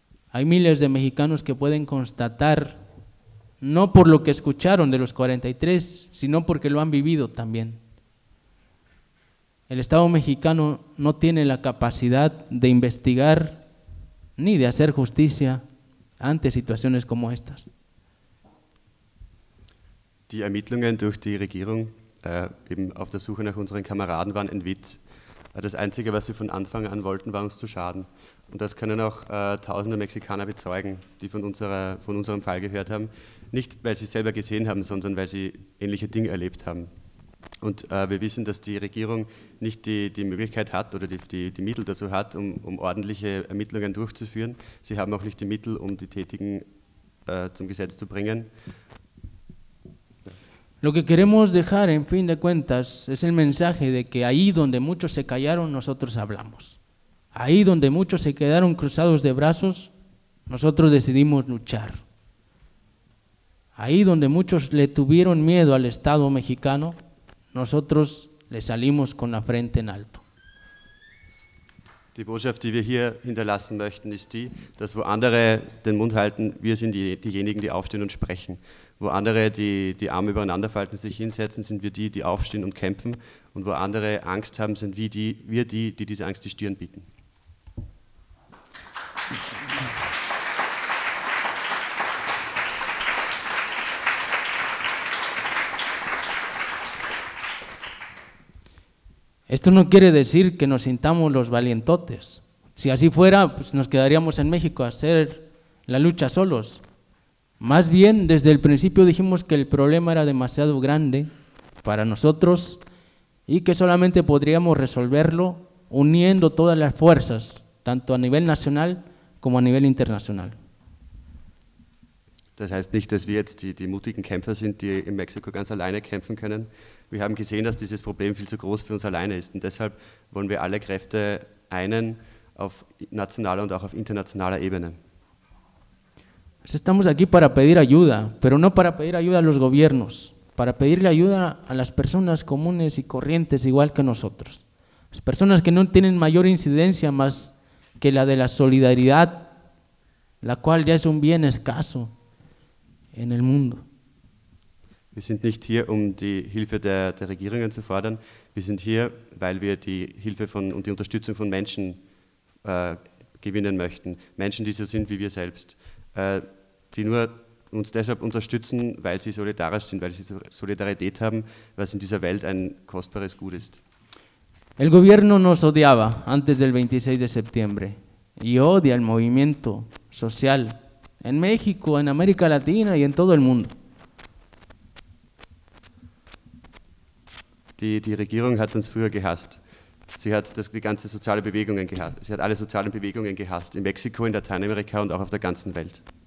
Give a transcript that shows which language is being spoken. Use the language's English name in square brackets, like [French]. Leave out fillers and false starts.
[Spanish] Hay miles de mexicanos que pueden constatar, no por lo que escucharon de los 43, sino porque lo han vivido también. El Estado mexicano no tiene la capacidad de investigar ni de hacer justicia ante situaciones como estas. [German] Die Ermittlungen durch die Regierung, eben auf der Suche nach unseren Kameraden, waren ein Witz. Das Einzige, was sie von Anfang an wollten, war uns zu schaden. Und das können auch tausende Mexikaner bezeugen, die von unserem Fall gehört haben. Nicht, weil sie selber gesehen haben, sondern weil sie ähnliche Dinge erlebt haben. Und wir wissen, dass die Regierung nicht die Möglichkeit hat oder die Mittel dazu hat, um ordentliche Ermittlungen durchzuführen. Sie haben auch nicht die Mittel, um die Tätigen zum Gesetz zu bringen. [Spanish] Lo que queremos dejar, en fin de cuentas, es el mensaje de que ahí donde muchos se callaron, nosotros hablamos. Ahí donde muchos se quedaron cruzados de brazos, nosotros decidimos luchar. Ahí donde muchos le tuvieron miedo al Estado mexicano, nosotros le salimos con la frente en alto. [German] Die Botschaft, die wir hier hinterlassen möchten, ist die, dass wo andere den Mund halten, wir sind diejenigen, die aufstehen und sprechen. Wo andere die Arme übereinander falten und sich hinsetzen, sind wir die, die aufstehen und kämpfen. Und wo andere Angst haben, sind wir die diese Angst die Stirn bieten. [Spanish] Esto no quiere decir que nos sintamos los valientotes. Si así fuera, pues nos quedaríamos en México a hacer la lucha solos. Más bien, desde el principio dijimos que el problema era demasiado grande para nosotros y que solamente podríamos resolverlo uniendo todas las fuerzas, tanto a nivel nacional como a nivel internacional. [German] Das heißt nicht, dass wir jetzt die mutigen Kämpfer sind, die in Mexiko ganz alleine kämpfen können. Wir haben gesehen, dass dieses Problem viel zu groß für uns alleine ist. Und deshalb wollen wir alle Kräfte einen auf nationaler und auch auf internationaler Ebene. [Spanish] Estamos aquí para pedir ayuda, pero no para pedir ayuda a los gobiernos, para pedirle ayuda a las personas comunes y corrientes igual que nosotros. Las personas que no tienen mayor incidencia más que la de la solidaridad, la cual ya es un bien escaso en el mundo. [German] Wir sind nicht hier, um die Hilfe der Regierungen zu fordern. Wir sind hier, weil wir die Hilfe und die Unterstützung von Menschen gewinnen möchten. Menschen, die so sind wie wir selbst. Die nur uns deshalb unterstützen, weil sie solidarisch sind, weil sie Solidarität haben, was in dieser Welt ein kostbares Gut ist. [Spanish] El gobierno nos odiaba antes del 26 de septiembre y odia el movimiento social en México, en América Latina y en todo el mundo. [German] Die Regierung hat uns früher gehasst. Sie hat die ganze soziale Bewegungen gehasst. Sie hat alle sozialen Bewegungen gehasst, in Mexiko, in Lateinamerika und auch auf der ganzen Welt.